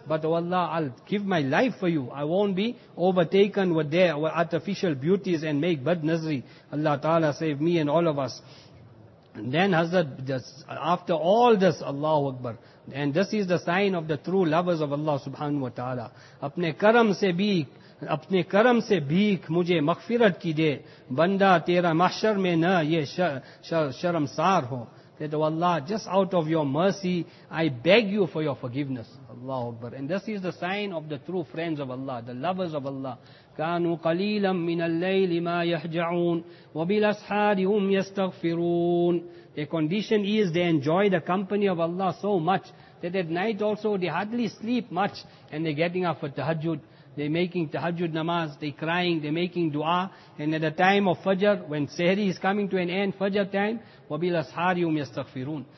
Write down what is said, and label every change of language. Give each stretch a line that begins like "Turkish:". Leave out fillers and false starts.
English: But oh Allah, I'll give my life for you. I won't be overtaken with their artificial beauties and make bad nazri. Allah Ta'ala save me and all of us. And then Hazrat, just after all this, Allahu Akbar. And this is the sign of the true lovers of Allah Subhanahu Wa Ta'ala.
Urdu: اپنے کرم سے بھیک مجھے مغفرت کی دے بندہ تیرا محشر میں نہ یہ شرم سار ہو.
English: That, oh Allah, just out of your mercy, I beg you for your forgiveness. Allahu Akbar. And this is the sign of the true friends of Allah, the lovers of Allah.
Arabic: كانوا قليلا من الليل ما يهجعون وبالأسحار هم يستغفرون.
English: Their condition is they enjoy the company of Allah so much that at night also they hardly sleep much and they're getting up for tahajjud. They're making tahajjud namaz, they're crying, they're making dua. And at the time of Fajr, when Sehri is coming to an end, Fajr time,
Arabic: وَبِلَ أَصْحَارِهُمْ يَسْتَغْفِرُونَ.